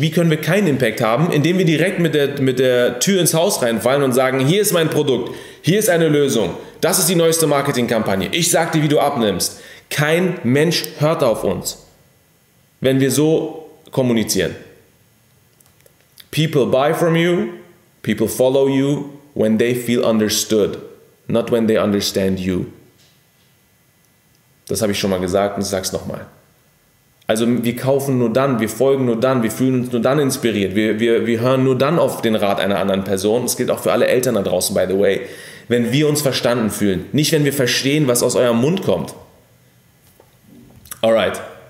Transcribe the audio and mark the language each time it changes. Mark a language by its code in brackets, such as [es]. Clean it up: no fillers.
[de] Wie können wir keinen Impact haben? Indem wir direkt mit der Tür ins Haus reinfallen und sagen, hier ist mein Produkt, hier ist eine Lösung. Das ist die neueste Marketingkampagne. Ich sag dir, wie du abnimmst. Kein Mensch hört auf uns, wenn wir so kommunizieren. [en] People buy from you, people follow you, when they feel understood, not when they understand you. [de] Das habe ich schon mal gesagt und ich sag's nochmal. Also wir kaufen nur dann, wir folgen nur dann, wir fühlen uns nur dann inspiriert, wir hören nur dann auf den Rat einer anderen Person. Das gilt auch für alle Eltern da draußen, [en] by the way. [de] Wenn wir uns verstanden fühlen, nicht wenn wir verstehen, was aus eurem Mund kommt. Alright.